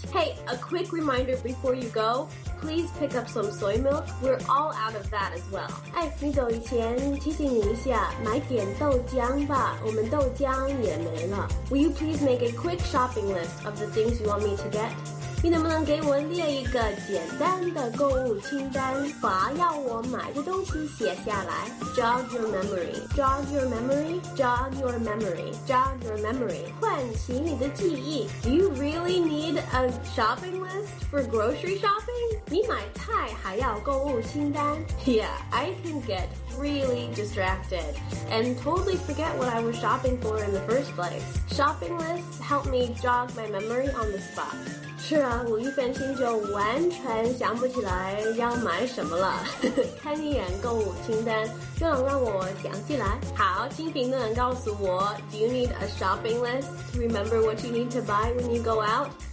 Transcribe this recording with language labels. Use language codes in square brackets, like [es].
[en] Hey, a quick reminder before you go, please pick up some soy milk, we're all out of that as well. [zh] 哎，你走以前提醒你一下，买点豆浆吧，我们豆浆也没了。 [en] Will you please make a quick shopping list of the things you want me to get? [zh] 你能不能给我列一个简单的购物清单，把要我买的东西写下来。 [en] Jog your memory, jog your memory, jog your memory, jog your memory, [zh] 唤起你的记忆。 [en] Do you really need a shopping list for grocery shopping? [zh] 你买菜还要购物清单？ [en] Yeah, I can get really distracted and totally forget what I was shopping for in the first place. Shopping lists help me jog my memory on the spot. [zh] 是啊，我一分心就完全想不起来要买什么了。看一眼购物清单就能让我想起来。好，请评论告诉我 [en] Do you need a shopping list to remember what you need to buy when you go out?